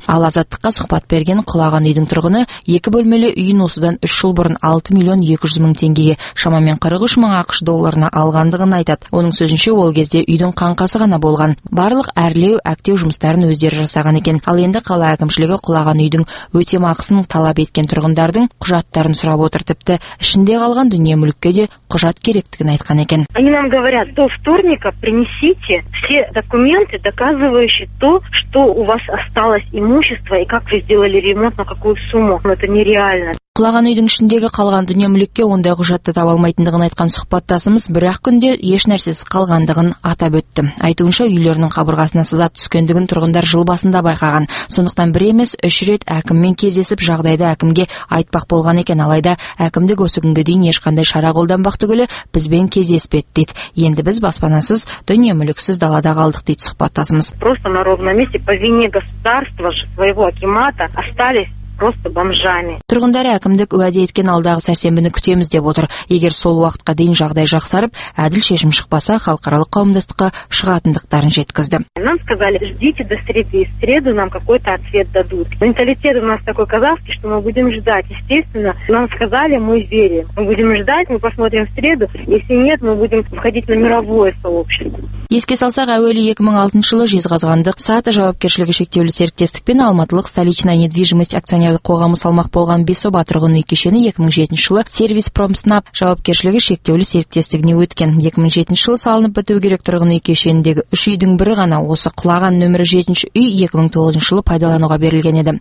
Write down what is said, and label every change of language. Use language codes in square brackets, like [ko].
[kk] Азаттыққа сұхбат берген құлаған үйдің тұрғыны екі бөлмелі үйін осыдан 3 жыл бұрын 6 миллион 200 мың теңгеге, шамамен 43 мың ақш долларына алғандығын айтады. Оның сөзінше, ол кезде үйдің қаңқасы ғана болған. Барлық әрлеу, әктеу жұмыстарын өздері жасаған екен. Ал енді қала әкімшілігі құлаған үйдің өтемақысын талап еткен тұрғындардың құжаттарын сұрап отыр. Тіпті ішінде қалған дүние мүлікке де құжат керектігін айтқан екен. [ru] Они нам говорят: "До вторника принесите все документы, доказывающие то, что у вас осталось имущество". И как вы сделали ремонт, на какую сумму? Это нереально. [kk] Кулаган үйдің ішіндегі қалған дүние мүлікке ондай құжатты таба алмайтындығын айтқан сұхбаттасымыз бір-ақ күнде еш нәрсесіз қалғандығын атап өтті. Айтуынша үйлерінің қабырғасына сызат түскендігін тұрғындар жыл басында байқаған. Сондықтан бір емес, үш рет әкіммен кездесіп, жағдайды әкімге айтпақ болған екен, алайда әкімдік осы күнге дейін ешқандай шара қолданбақ түгілі бізбен кездеспеді дейді. Енді біз баспанасыз, дүние мүліксіз далада қалдық дейді сұхбаттасымыз. [ru] Просто на ровном месте по вине государства своего акимата остались. [kk] Тұрғындар әкімдік уәде еткен алдағы сәрсенбіні күтеміз деп отыр. Егер сол уақытқа дейін жағдай жақсарып, әділ шешім шықпаса, халықаралық қауымдастыққа шығатындықтарын жеткізді. [ru] Нам сказали, ждите до среды, и в среду нам какой-то ответ дадут. Менталитет у нас такой казахский, что мы будем ждать. Естественно, нам сказали, мы верим. Мы будем ждать, мы посмотрим в среду. Если нет, мы будем входить на мировое сообщество. [kk] Еске салсақ, әуелі 2006 жылы жезқазғандық саты жауапкершілігі шектеулі серіктестікпен алматылық столичная недвижимость акционерлік қоғамы салмақ болған Бесоба тұрғын үй кешені 2007 жылы сервис промснап жауапкершілігі шектеулі серіктестігіне өткен. 2007 жылы салынып бітуі керек тұрғын үй кешеніндегі үш үйдің бірі ғана осы құлаған нөмірі 7 үй 2009 жылы пайдалануға берілген еді.